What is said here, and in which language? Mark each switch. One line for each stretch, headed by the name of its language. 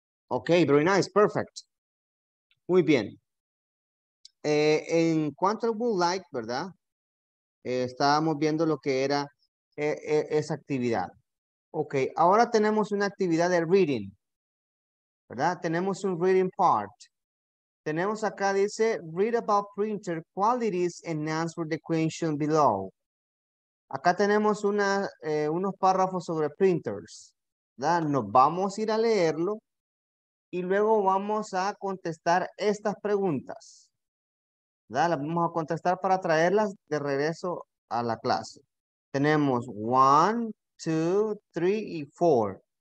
Spanish: Ok, very nice, perfect. Muy bien. En cuanto al would like, ¿verdad? Estábamos viendo lo que era esa actividad. Ok, ahora tenemos una actividad de reading, ¿verdad? Tenemos un reading part. Tenemos acá, dice,
English: read about printer qualities and answer the question below.
Spanish: Acá tenemos unos párrafos sobre printers, ¿verdad? Nos vamos a ir a leerlo y luego vamos a contestar estas preguntas. ¿Verdad? Las vamos a contestar para traerlas de regreso a la clase. Tenemos 1, 2, 3 y 4.